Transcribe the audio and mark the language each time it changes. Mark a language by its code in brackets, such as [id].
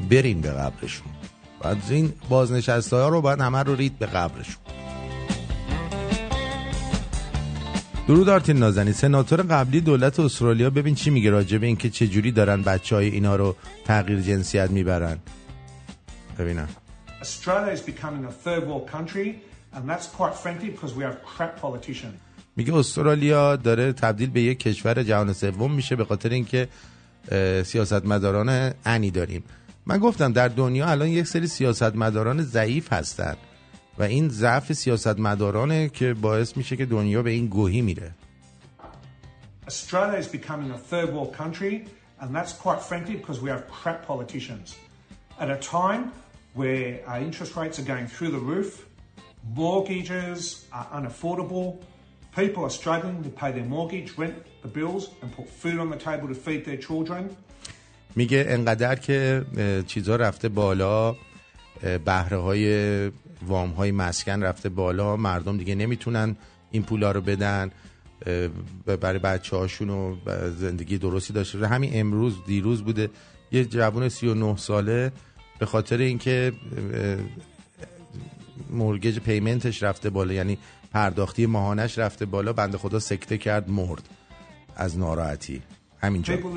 [fa] برین به قبرشون، بعد این بازنشسته ها رو باید همه رو رید به قبرشون. درود آرتین نازنین، سناتور قبلی دولت استرالیا ببین چی میگه راجع به این که چجوری دارن بچه های اینا رو تغییر جنسیت میبرن. ببینم. [en] Australia is becoming a third world country and that's quite frankly because we have crap politicians. [fa] میگه استرالیا داره تبدیل به یک کشور جهان سوم میشه به خاطر اینکه سیاستمداران انی داریم. من گفتم در دنیا الان یک سری سیاستمداران ضعیف هستن و این ضعف سیاستمدارانه که باعث میشه که دنیا به این گوهی میره. [en] Australia is becoming a third world country and that's quite frankly because we have crap politicians. At a time where our interest rates are going through the roof, mortgages are unaffordable, people are struggling to pay their mortgage, rent, the bills and put food on the table to feed their children. [fa] میگه انقدر که چیزا رفته بالا، بهره های وام های مسکن رفته بالا، مردم دیگه نمیتونن این پولا رو بدن برای بچه هاشون و زندگی درستی داشته باشن. همین امروز دیروز بوده یه جوان 39 ساله به خاطر اینکه مورگیج پیمنتش رفته بالا، یعنی پرداختی ماهانش رفته بالا، بنده خدا سکته کرد مرد از ناراحتی همینجا.